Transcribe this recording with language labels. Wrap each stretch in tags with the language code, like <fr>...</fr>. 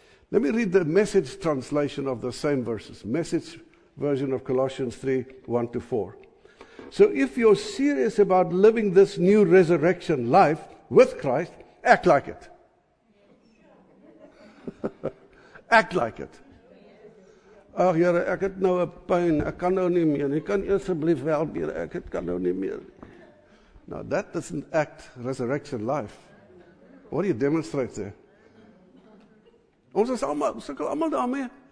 <en>Let me read the Message translation of the same verses. Message version of Colossians 3, 1 to 4. So if you're serious about living this new resurrection life with Christ, act like it. Act like it.</en> <af>Ag Here, ek het nou 'n pyn, ek kan nou nie meer. Jy kan asseblief help, Here, ek het kan nou nie meer.</af> <en>Now that doesn't act resurrection life. What do you demonstrate there?</en> <af>Ons is almal, sukkel almal daarmee.</af>